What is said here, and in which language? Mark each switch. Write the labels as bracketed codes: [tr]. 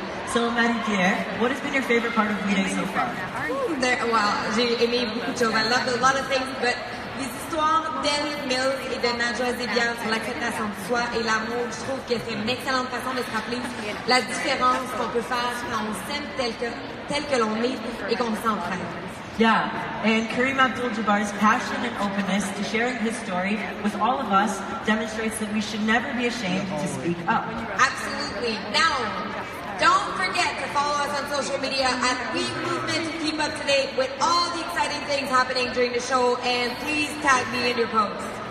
[en] So, Marie-Pierre, what has been your favorite part of We Day so far? I loved a lot of things, but [fr] les histoires d'Elliot Mills et de Najwa Zibian sur l'acceptation de soi et l'amour, je trouve que c'est une excellente façon de se rappeler la différence qu'on peut faire quand on s'aime tel que l'on est et qu'on s'entraide. [en] Yeah, and Kareem Abdul-Jabbar's passion and openness to sharing his story with all of us demonstrates that we should never be ashamed to speak up. Absolutely. Now, don't forget to follow us on social media at We Movement to keep up to date with all the exciting things happening during the show, and please tag me in your posts.